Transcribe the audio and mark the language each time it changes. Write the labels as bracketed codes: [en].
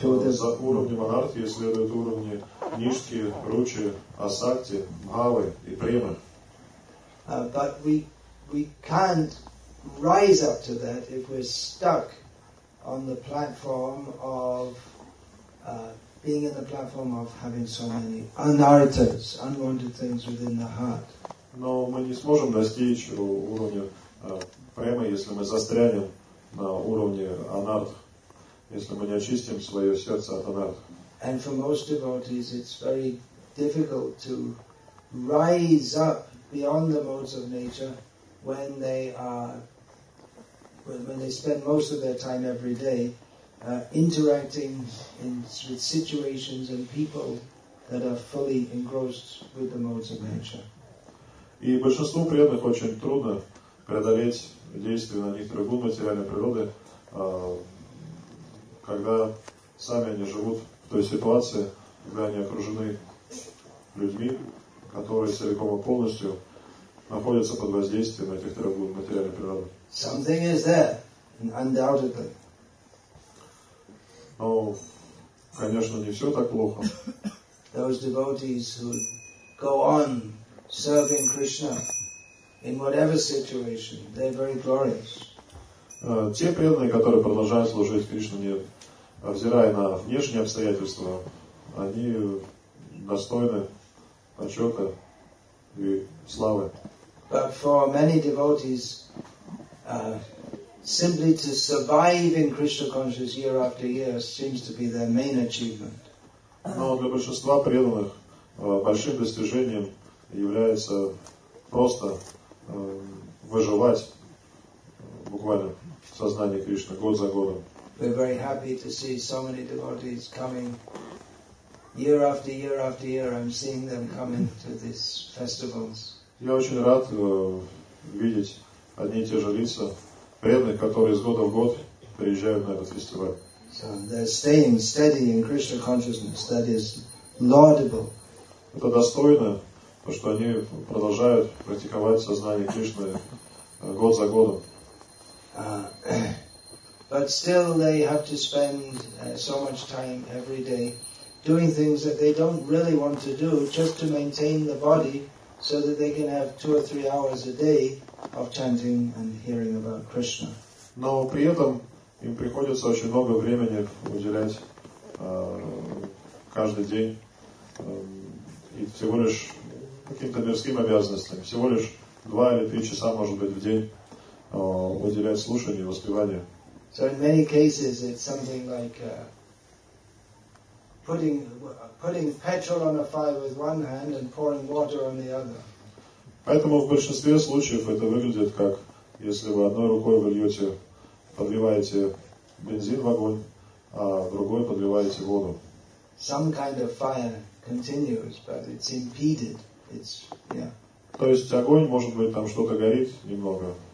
[ru] За уровнем анартхи следуют уровни ништхи, ручи, асакти, бхавы и премы. [en] But we can't rise up to that if we're stuck on the platform of being in the platform of having so many anarthas, unwanted things within the heart. [ru] Но мы не сможем достичь уровня премы, если мы застрянем на уровне анарт, если мы не очистим свое сердце от анарт. [en] And for most devotees, it's very difficult to rise up beyond the modes of nature when they are when they spend most of their time every day interacting with situations and people that are fully engrossed with the modes of nature. [ru] И большинству преданных очень трудно преодолеть действия на них другой материальной природы, когда сами они живут в той ситуации, когда они окружены людьми, которые целиком и полностью находятся под воздействием этих трех материальных природ. [en] Something is there, undoubtedly. [ru] Но, конечно, не все так плохо. [en] Those devotees who go on serving Krishna in whatever situation, they're very glorious. [ru] Те преданные, которые продолжают служить Кришне, не взирая на внешние обстоятельства, они достойны почета и славы. [en] But for many devotees, simply to survive in Krishna consciousness year after year seems to be their main achievement. [ru] Но для большинства преданных большим достижением является просто выживать буквально в сознании Кришны год за годом. [en] We're very happy to see so many devotees coming year after year after year. I'm seeing them coming to these festivals. [ru] Я очень рад видеть одни и те же лица преданных, которые из года в год приезжают на этот фестиваль. [en] So they're staying steady in Krishna consciousness. That is laudable. [ru] Это достойно, потому что они продолжают практиковать сознание Кришны год за годом. [en] But still they have to spend so much time every day doing things that they don't really want to do just to maintain the body, so that they can have two or three hours a day of chanting and hearing about Krishna. [ru] Но при этом им приходится очень много времени уделять каждый день и всего лишь каким-то мирским обязанностям. Всего лишь два или три часа, может быть, в день уделять слушанию и воспеванию. [en] So in many cases it's something like putting petrol on a fire with one hand and pouring water on the other. [ru] Поэтому в большинстве случаев это выглядит как, если вы одной рукой подливаете бензин в огонь, а другой подливаете воду. [en] Some kind of fire continues, but it's impeded. It's, yeah. [ru] То есть огонь, может быть, там что-то горит немного,